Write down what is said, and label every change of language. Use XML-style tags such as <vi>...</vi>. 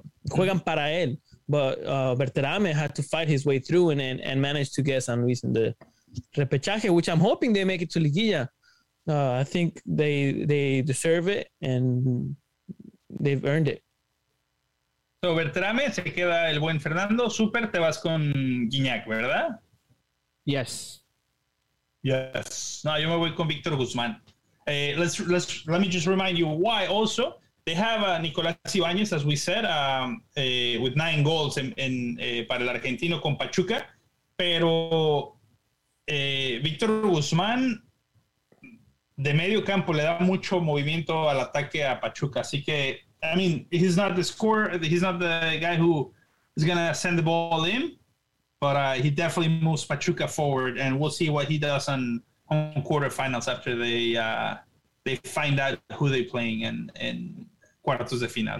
<es>juegan para él,</es> <en>but Berterame had to fight his way through and managed to get San Luis in the repechaje, which I'm hoping they make it to Liguilla. I think they deserve it and they've earned it.</en> <es>So Berterame, se queda el buen Fernando, super, te vas con Gignac, ¿verdad?</es> <en>Yes.</en> <es>Yes. No, yo me voy con Víctor Guzmán.</es> <en>Let me just remind you why. Also, they have Nicolás Ibáñez, as we said, with 9 goals</en> <es>para el argentino con Pachuca. Pero Víctor Guzmán de medio campo le da mucho movimiento al ataque a Pachuca. Así que,</es> <en>I mean, he's not the scorer. He's not the guy who is going to send the ball in. But he definitely moves Pachuca forward, and we'll see what he does on home quarterfinals after they find out who they're playing in</en> <es>cuartos de final.</es>